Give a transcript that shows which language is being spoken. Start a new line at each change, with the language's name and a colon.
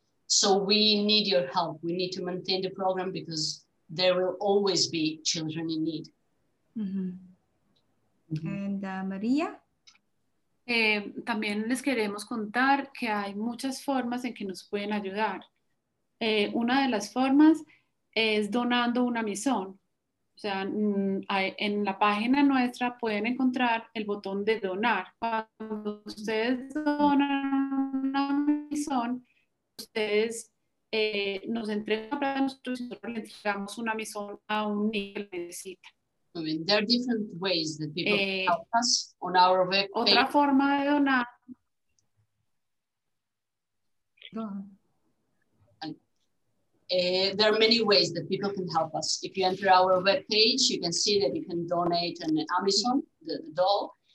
English: So we need your help. We need to maintain the program because there will always be children in need. Mm-hmm. And Maria?
Spanish: También les queremos contar que hay muchas formas en que nos pueden ayudar. Una de las formas es donando una misión. O sea, en la página nuestra pueden encontrar el botón de donar. Cuando ustedes donan una misión, ustedes nos entregan para nosotros y nosotros le entregamos una misión a un niño que necesita.
English: I mean, there are different ways that people help us on our web.
Spanish: Otra forma de donar.
English: There are many ways that people can help us. If you enter our webpage, you can see that you can donate an Amizón, the doll.